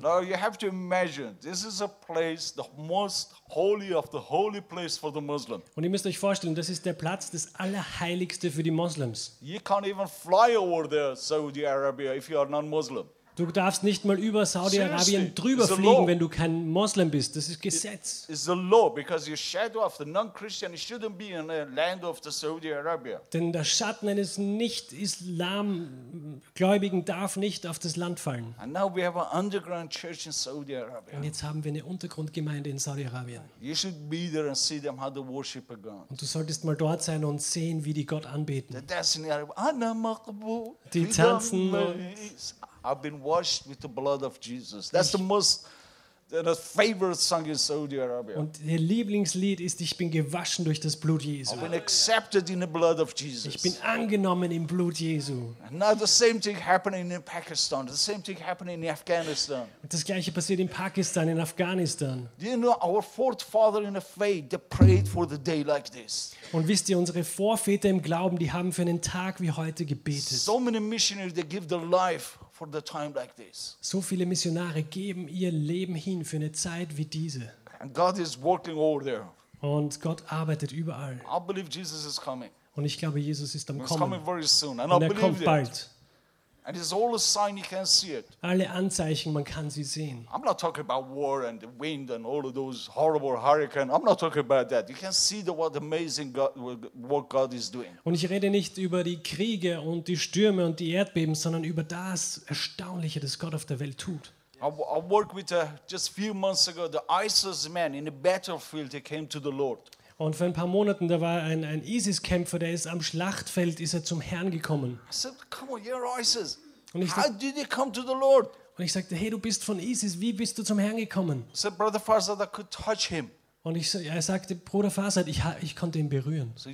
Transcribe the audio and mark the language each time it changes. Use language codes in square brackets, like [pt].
[en] Now you have to imagine, this is a place, the most holy of the holy place for the Muslim. [de] Und ihr müsst euch vorstellen, das ist der Platz, das Allerheiligste für die Moslems. [en] You can't even fly over there, Saudi Arabia, if you are non-Muslim. [de] Du darfst nicht mal über Saudi-Arabien drüber fliegen, wenn du kein Moslem bist. Das ist Gesetz. [en] It's a law, because your shadow of the non-Christian shouldn't be in the land of the Saudi Arabia. [de] Denn der Schatten eines Nicht-Islam-Gläubigen darf nicht auf das Land fallen. [en] And now we have an underground church in Saudi Arabia. [de] Und jetzt haben wir eine Untergrundgemeinde in Saudi-Arabien. [en] You should be there and see them how they worship God. [de] Und du solltest mal dort sein und sehen, wie die Gott anbeten. [en] The destiny of Anna Makbu, [de] die tanzen. [en] I've been washed with the blood of Jesus. That's the most favorite song in Saudi Arabia. [de] Und ihr Lieblingslied ist Ich bin gewaschen durch das Blut Jesu. [en] I've been accepted in the blood of Jesus. [de] Ich bin angenommen im Blut Jesu. [en] Now the same thing happening in Pakistan, the same thing happening in Afghanistan. [de] Und das gleiche passiert in Pakistan, in Afghanistan. [en] You know, our forefather in the faith, they prayed for the day like this. [de] Und wisst ihr, unsere Vorväter im Glauben, die haben für einen Tag wie heute gebetet. [en] So many missionaries, they give their life for the time like this. [de] So viele Missionare geben ihr Leben hin für eine Zeit wie diese. [en] And God is working over there. [de] Und Gott arbeitet überall. [en] I believe Jesus is coming. [de] Und ich glaube, Jesus ist am Kommen. [en] He's coming very soon. [de] Und er kommt bald. [en] And it's all a sign, you can see it. [de] Alle Anzeichen, man kann sie sehen. [en] I'm not talking about war and the wind and all of those horrible hurricanes. I'm not talking about that. You can see the what amazing God, what God is doing. [de] Und ich rede nicht über die Kriege und die Stürme und die Erdbeben, sondern über das Erstaunliche, das Gott auf der Welt tut. [en] I worked with just a few months ago, the ISIS man in the battlefield, he came to the Lord. [de] Und vor ein paar Monaten, da war ein ISIS-Kämpfer, der ist am Schlachtfeld, ist er zum Herrn gekommen. Und ich sagte, hey, du bist von ISIS, wie bist du zum Herrn gekommen? Und er sagte, Bruder Farsad, ich konnte ihn berühren.